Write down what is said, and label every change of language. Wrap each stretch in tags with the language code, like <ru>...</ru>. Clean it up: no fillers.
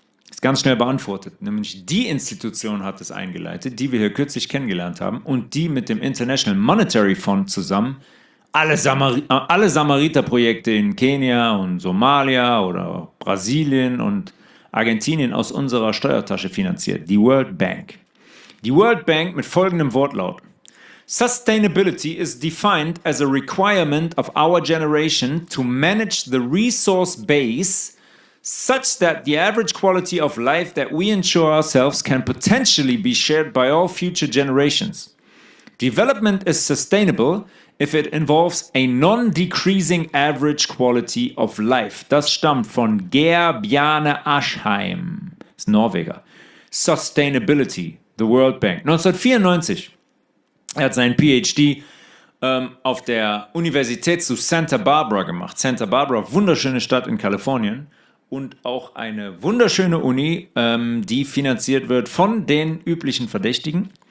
<de>Ist ganz schnell beantwortet. Nämlich die Institution hat es eingeleitet, die wir hier kürzlich kennengelernt haben und die mit dem International Monetary Fund zusammen alle Samariter-Projekte in Kenia und Somalia oder Brasilien und Argentinien aus unserer Steuertasche finanziert. Die World Bank. Die World Bank mit folgendem Wortlaut.</de> <en>Sustainability is defined as a requirement of our generation to manage the resource base such that the average quality of life that we ensure ourselves can potentially be shared by all future generations. Development is sustainable if it involves a non-decreasing average quality of life.</en> <de>Das stammt von Geir Bjarne Aschheim, ist Norweger.</de> <en>Sustainability, the World Bank.</en> <de>1994, er hat seinen PhD auf der Universität zu Santa Barbara gemacht. Santa Barbara, wunderschöne Stadt in Kalifornien. Und auch eine wunderschöne Uni, die finanziert wird von den üblichen Verdächtigen.</de>